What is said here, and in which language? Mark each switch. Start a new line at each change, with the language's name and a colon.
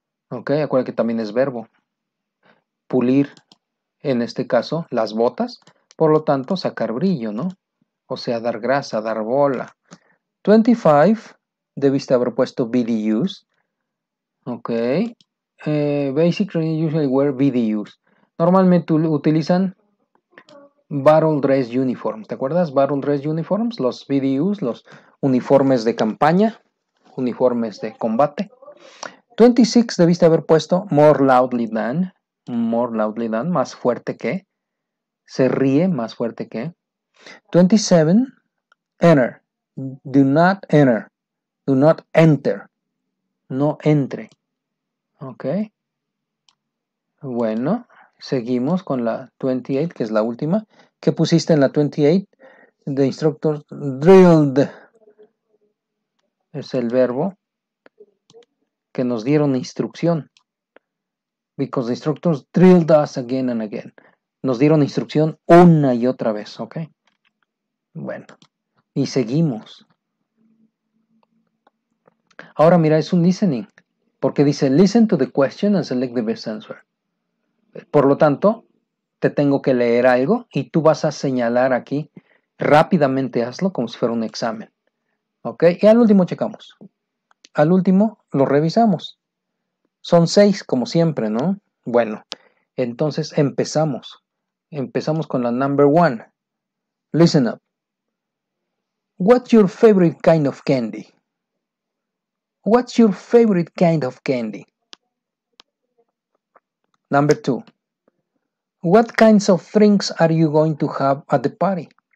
Spanish: Ok, acuérdate que también es verbo. Pulir, en este caso, las botas. Por lo tanto, sacar brillo, ¿no? O sea, dar grasa, dar bola. 25, debiste haber puesto BDUs. Ok.
English: Basically, usually wear BDUs.
Spanish: Normalmente utilizan
English: battle dress uniforms.
Spanish: ¿Te acuerdas?
English: Battle dress uniforms,
Spanish: los BDUs, los uniformes de campaña, uniformes de combate. 26, debiste haber puesto
English: more loudly than. More loudly than,
Spanish: más fuerte que. Se ríe, más fuerte que. 27, enter.
English: Do not enter. Do not enter.
Spanish: No entre.
English: Ok.
Spanish: Bueno, seguimos con la 28, que es la última. ¿Qué pusiste en la 28?
English: The instructor drilled.
Spanish: Es el verbo que nos dieron instrucción.
English: Because the instructors drilled us again and again.
Spanish: Nos dieron instrucción una y otra vez. Ok. Bueno. Y seguimos. Ahora mira, es un listening. Porque dice,
English: listen to the question and select the best answer.
Spanish: Por lo tanto, te tengo que leer algo y tú vas a señalar aquí. Rápidamente hazlo como si fuera un examen. ¿Ok? Y al último checamos. Al último lo revisamos. Son 6, como siempre, ¿no? Bueno, entonces empezamos. Empezamos con la
English: number one. Listen up. What's your favorite kind of candy? What's your favorite kind of candy? Number two. What kinds of drinks are you going to have at the party?